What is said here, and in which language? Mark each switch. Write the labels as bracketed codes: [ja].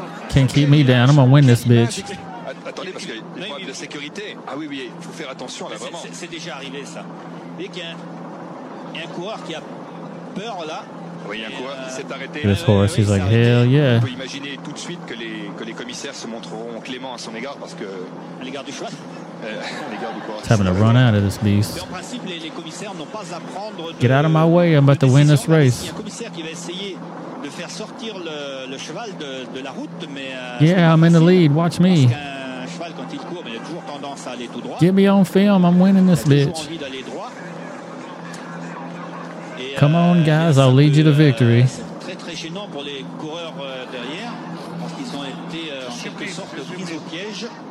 [en] Can't keep me down, I'm gonna win this bitch. [fr] Attendez, parce qu'il y a des problèmes de sécurité. Ah oui, oui, il faut faire attention là, vraiment. C'est déjà arrivé ça. Vous voyez qu'il y a un coureur qui a peur là. Oui, il y a un coureur qui s'est arrêté. [en] This horse, he's like, hell yeah. [fr] On peut imaginer tout de suite que les commissaires se montreront cléments à son égard parce que. Les gardes du cheval. Les gardes du coureur. [en] He's having to run out of this beast. [fr] En principe, les commissaires n'ont pas à prendre. [en] Get out of my way, I'm about to win this race. [fr] Il y a un commissaire qui va essayer de faire sortir le cheval de la route, mais. [en] Yeah, I'm in the lead, watch me. [fr] balle quand il court, mais il a toujours tendance à aller tout droit. [en] Get me on film, I'm winning this bitch. Come on guys, I'll lead you to victory. [fr] C'est très très gênant pour les coureurs derrière parce qu'ils ont été en quelque sorte pris au piège.